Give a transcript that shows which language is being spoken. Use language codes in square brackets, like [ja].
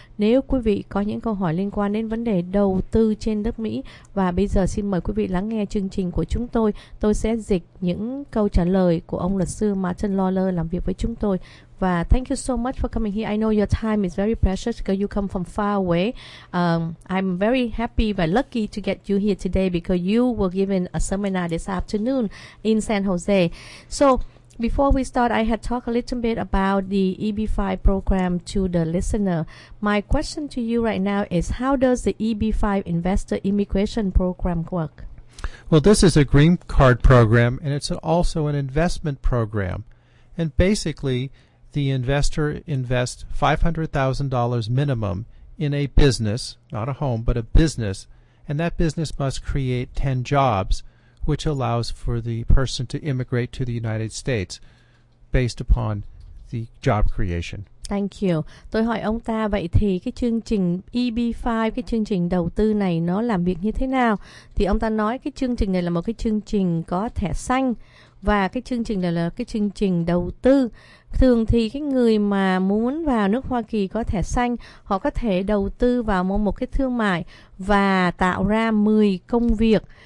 [vi] Nếu quý vị có những câu hỏi liên quan đến vấn đề đầu tư trên đất Mỹ. Và bây giờ xin mời quý vị lắng nghe chương trình của chúng tôi. Tôi sẽ dịch những câu trả lời của ông luật sư Martin Lawler làm việc với chúng tôi. [en] Và thank you so much for coming here. I know your time is very precious because you come from far away. I'm very happy [vi] và [en] lucky to get you here today because you were given a seminar this afternoon in San Jose. So before we start, I had talked a little bit about the EB-5 program to the listener. My question to you right now is, how does the EB-5 investor immigration program work? Well, this is a green card program, and it's also an investment program. And basically, the investor invests $500,000 minimum in a business, not a home, but a business, and that business must create 10 jobs, which allows for the person to immigrate to the United States based upon the job creation. Thank you. [vi] Tôi hỏi ông ta, vậy thì cái chương trình EB-5, cái chương trình đầu tư này nó làm việc như thế nào? Thì ông ta nói cái chương trình này là một cái chương trình có thẻ xanh, và cái chương trình này là cái chương trình đầu tư. Thường thì cái người mà muốn vào nước Hoa Kỳ có thẻ xanh, họ có thể đầu tư vào một cái thương mại và tạo ra 10 công việc.